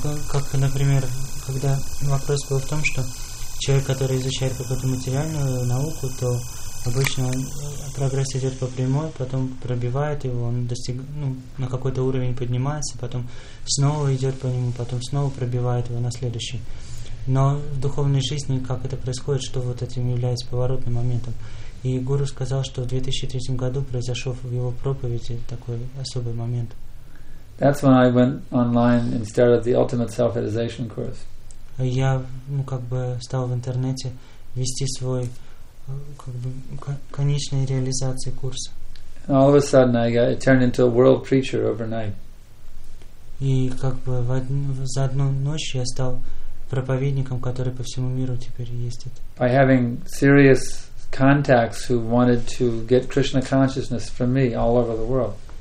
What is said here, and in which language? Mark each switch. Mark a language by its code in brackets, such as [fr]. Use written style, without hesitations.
[ru] Как, например, когда вопрос был в том, что человек, который изучает какую-то материальную науку, то обычно прогресс идет по прямой, потом пробивает его, он на какой-то уровень поднимается, потом снова идет по нему, потом снова пробивает его на следующий. Но в духовной жизни как это происходит, что вот этим является поворотным моментом? И гуру сказал, что в 2003 году произошел в его проповеди такой особый момент. [en] That's when I went online and started the ultimate self-realization course. [ru] Я стал в интернете вести свой конечной реализации курс. [en] All of a sudden I turned into a world preacher overnight. [ru] И за одну ночь я стал проповедником, который по всему миру теперь ездит. [en] By having serious contacts who wanted to get Krishna consciousness from me all over the world.